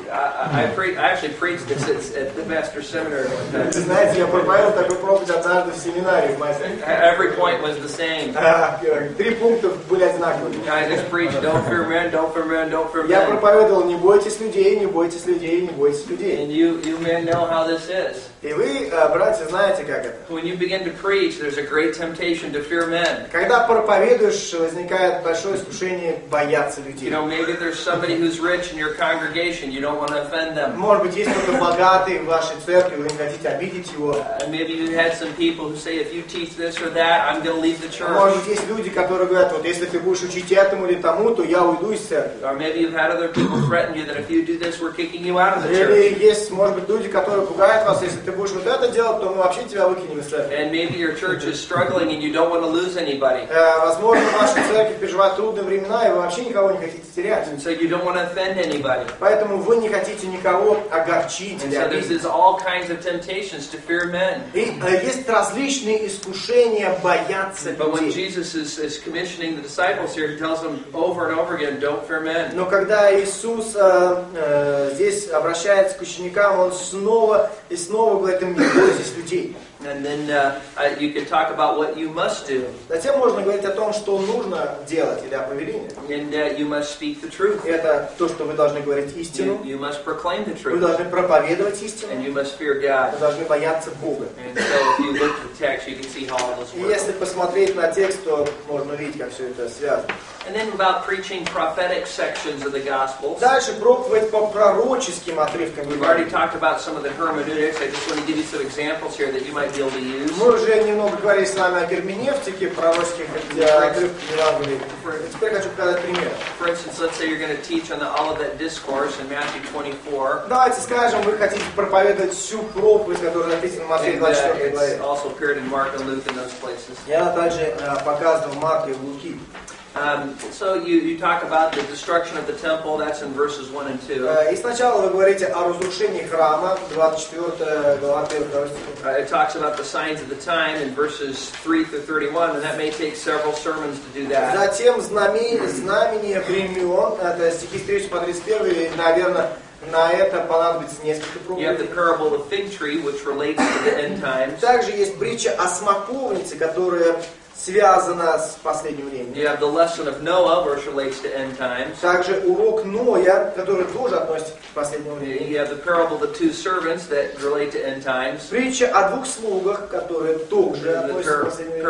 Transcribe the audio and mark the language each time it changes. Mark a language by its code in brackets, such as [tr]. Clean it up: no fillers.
[en] I actually preached this at the Master Seminar. [ru] Знаете, я проповедовал такую проповедь однажды в семинаре в Мастере. [en] Every point was the same. [ru] Три пункта были. [en] I just preach, don't fear men, don't fear men, don't fear men. [ru] Я проповедовал, не бойтесь людей, не бойтесь людей, не бойтесь людей. [en] And you men know how this is. [ru] И вы, братья, знаете, как это. [en] When you begin to preach, there's a great temptation to fear men. [ru] Когда проповедуешь, возникает большое искушение бояться людей. [en] You know, maybe there's somebody who's rich in your congregation, you don't want to offend them. [ru] Может быть, есть кто-то богатый в вашей церкви, вы не хотите обидеть его. [en] Maybe you had some people who say, if you teach this or that, I'm going to leave the church. [ru] Может быть, есть люди, которые говорят, вот если ты будешь учить этому или тому, то я уйду из церкви. [en] Or maybe you've had other people threaten you that if you do this, we're kicking you out of the church. [ru] Или есть, может быть, люди, которые пугают вас, если ты будешь вот это делать, то мы вообще тебя выкинем из церкви. [en] And maybe your church is struggling and you don't want to lose anybody. [ru] Возможно, ваша церковь переживает трудные времена, и вы вообще никого не хотите терять. [en] And so you don't want to offend anybody. [ru] Поэтому вы не хотите никого огорчить или обидеть. [en] And so there's all kinds of temptations to fear men. [ru] И есть различные искушения бояться людей. [en] But when Jesus is commissioning the disciples here, he tells them over and over again, don't fear men. [ru] Но когда Иисус здесь обращается к ученикам, он снова и снова говорит им, не бойтесь людей. [en] And then you can talk about what you must do. [ru] Затем можно говорить о том, что нужно делать или о повелении. [en] And you must speak the truth. [ru] Это то, что вы должны говорить истину. [en] You must proclaim the truth. [ru] Вы должны проповедовать истину. [en] And you must fear God. [ru] Вы должны бояться Бога. [en] And so if you look at the text, you can see how all this works. [ru] Если посмотреть на текст, то можно увидеть, как все это связано. [en] And then about preaching prophetic sections of the Gospels. [ru] Дальше проповедь по пророческим отрывкам. [en] We've already talked about some of the hermeneutics. I just want to give you some examples here that you might. might be able to use. [ru] Мы уже немного говорили с вами о герменевтике, пророческих Теперь хочу показать пример. [en] For instance, let's say you're going to teach on the Olivet Discourse in Matthew 24. [ru] Давайте скажем, вы хотите проповедовать всю проповедь, которая написана в Матфея 24 главе. [en] It's also appeared in Mark and Luke in those places. [ru] Я также показывал Марк и Луки. [en] So you talk about the destruction of the temple, that's in verses 1 and 2. [ru] И сначала вы говорите о разрушении храма, 24 глава 1 стиха. [en] It talks about the signs of the time in verses 3 through 31, and that may take several sermons to do that. [ru] Затем знамение времен, это стихи 3 по 31, наверное, на это понадобится несколько проповедей. [en] You have the parable of the fig tree, which relates to the end times. [ru] Также есть притча о смоковнице, которая связана с последним временем. [en] You have the lesson of Noah, which relates to end times. [ru] Также урок Ноя, который тоже относится к последнему времени. [en] You have the parable of the two servants that relate to end times. [ru] Притча о двух слугах, которые тоже относятся к последнему времени.